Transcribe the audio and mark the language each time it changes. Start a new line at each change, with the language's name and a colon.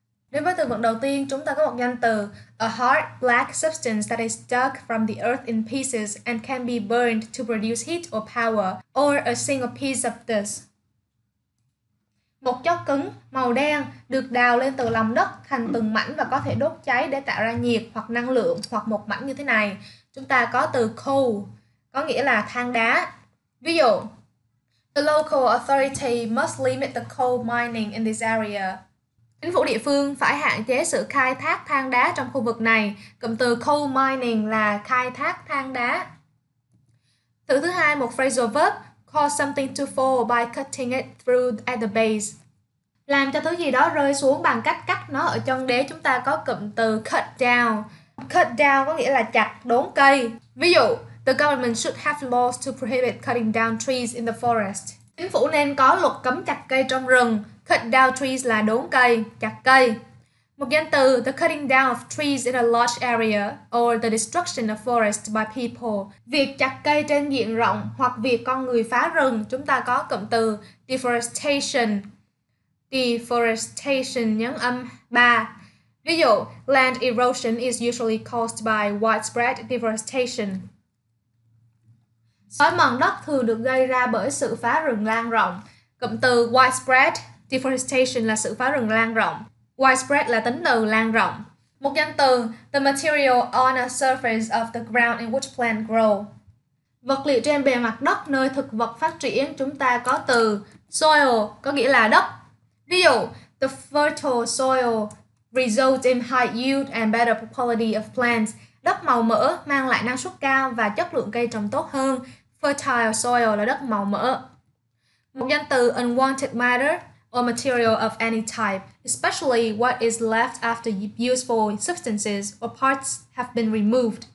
Vietnamese: Đến với từ vựng đầu tiên, chúng ta có một danh từ:
English: a hard black substance that is dug from the earth in pieces and can be burned to produce heat or power, or a single piece of dust.
Vietnamese: Một chất cứng màu đen được đào lên từ lòng đất thành từng mảnh và có thể đốt cháy để tạo ra nhiệt hoặc năng lượng hoặc một mảnh như thế này. Chúng ta có từ coal, có nghĩa là than đá. Ví dụ,
English: the local authority must limit the coal mining in this area.
Vietnamese: Chính phủ địa phương phải hạn chế sự khai thác than đá trong khu vực này. Cụm từ coal mining là khai thác than đá. Thứ hai, một phrasal verb:
English: cause something to fall by cutting it through at the base.
Vietnamese: Làm cho thứ gì đó rơi xuống bằng cách cắt nó ở chân đế, chúng ta có cụm từ cut down. Cut down có nghĩa là chặt, đốn cây. Ví dụ,
English: the government should have laws to prohibit cutting down trees in the forest.
Vietnamese: Chính phủ nên có luật cấm chặt cây trong rừng. Cut down trees là đốn cây, chặt cây. Một danh từ:
English: the cutting down of trees in a large area or the destruction of forest by people.
Vietnamese: Việc chặt cây trên diện rộng hoặc việc con người phá rừng, chúng ta có cụm từ deforestation.
English: Deforestation
Vietnamese: nhấn âm 3. Ví dụ,
English: land erosion is usually caused by widespread deforestation.
Vietnamese: Xói mòn đất thường được gây ra bởi sự phá rừng lan rộng. Cụm từ widespread deforestation là sự phá rừng lan rộng. Widespread là tính từ lan rộng. Một danh từ:
English: the material on a surface of the ground in which plants grow.
Vietnamese: Vật liệu trên bề mặt đất nơi thực vật phát triển, chúng ta có từ soil, có nghĩa là đất. Ví dụ,
English: the fertile soil results in high yield and better quality of plants.
Vietnamese: Đất màu mỡ mang lại năng suất cao và chất lượng cây trồng tốt hơn. Fertile soil là đất màu mỡ. Một danh từ:
English: unwanted matter or material of any type, especially what is left after useful substances or parts have been removed.